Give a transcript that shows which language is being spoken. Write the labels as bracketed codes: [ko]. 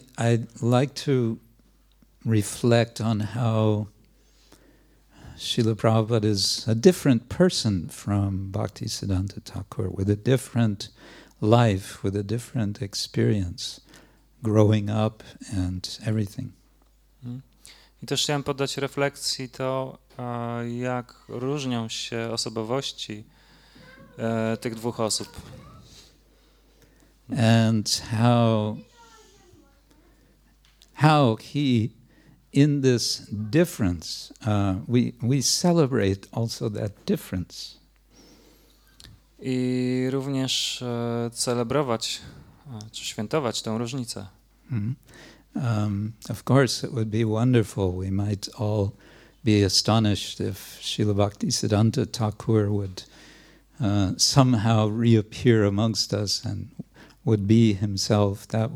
[en] I like to reflect on how Srila Prabhupada is a different person from Bhaktisiddhanta Thakur, with a different life, with a different experience, growing up and everything. [pl] I też chciałem poddać refleksji to, jak różnią się osobowości tych dwóch osób. [en] And how he, in this difference, we celebrate also that difference. [pl] I również celebrować, czy świętować tę różnicę. [en] Mm-hmm. Of course, it would be wonderful. We might all be astonished if Srila Bhaktisiddhanta Thakur would somehow reappear amongst us and would be himself.